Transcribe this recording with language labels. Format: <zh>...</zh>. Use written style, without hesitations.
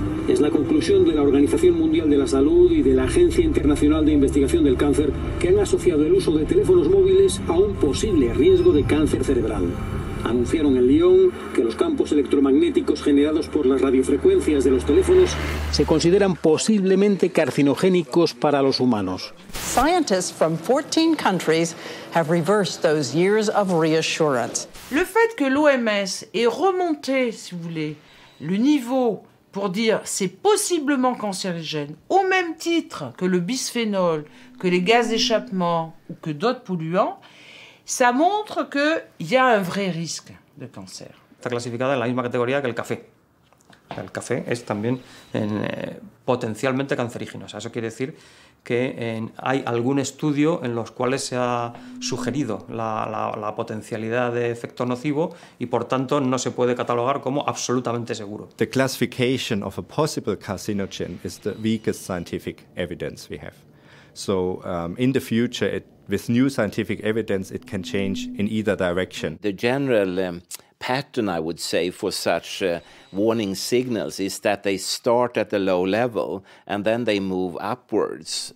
<es>Es la conclusión de la Organización Mundial de la Salud y de la Agencia Internacional de Investigación del Cáncer, que han asociado el uso de teléfonos móviles a un posible riesgo de cáncer cerebral. Anunciaron en Lyon que los campos electromagnéticos generados por las radiofrecuencias de los teléfonos se consideran posiblemente carcinogénicos para los humanos.</es> <en>Scientists from 14 countries have reversed those years of reassurance.</en> <fr>Le fait que l'OMS ait remonté, si vous voulez, le niveau pour dire c'est possiblement cancérigène au même titre que le bisphénol, que les gaz d'échappement ou que d'autres polluants, ça montre qu'il y a un vrai risque de cancer.</fr> <es>Está clasificada en la misma categoría que el café. El café es también potencialmente cancerígeno. O sea, eso quiere decir que hay algún estudio en los cuales se ha sugerido la potencialidad de efecto nocivo y, por tanto, no se puede catalogar como absolutamente seguro.</es> <en>The classification of a possible carcinogen is the weakest scientific evidence we have. So, in the future, with new scientific evidence, it can change in either direction. The general pattern, I would say, for such warning signals is that they start at a low level and then they move upwards.</en>